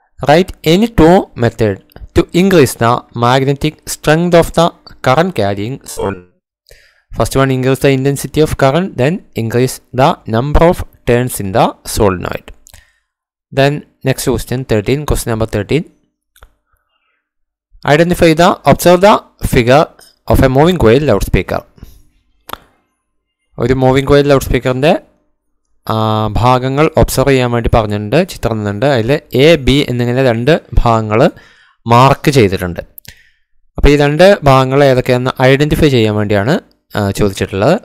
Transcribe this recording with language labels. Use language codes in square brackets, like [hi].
[en] Write any two method to increase the magnetic strength of the current carrying solid. First one, increase the intensity of current, then increase the number of turns in the solenoid. Then next question 13. Question number 13. Identify the, observe the figure of a moving coil loudspeaker. [ml] ഒരു moving coil loud സ്പീക്കറിൻ്റെ ഭാഗങ്ങൾ observe ചെയ്യാൻ വേണ്ടി പറഞ്ഞിട്ടുണ്ട്, ചിത്രം തന്നിട്ടുണ്ട്. അതിൽ A B എന്നിങ്ങനെ രണ്ട് ഭാഗങ്ങൾ മാർക്ക് ചെയ്തിട്ടുണ്ട്. അപ്പോൾ ഈ രണ്ട് ഭാഗങ്ങൾ ഏതൊക്കെയെന്ന് ഐഡൻറ്റിഫൈ ചെയ്യാൻ വേണ്ടിയാണ് ചോദിച്ചിട്ടുള്ളത്.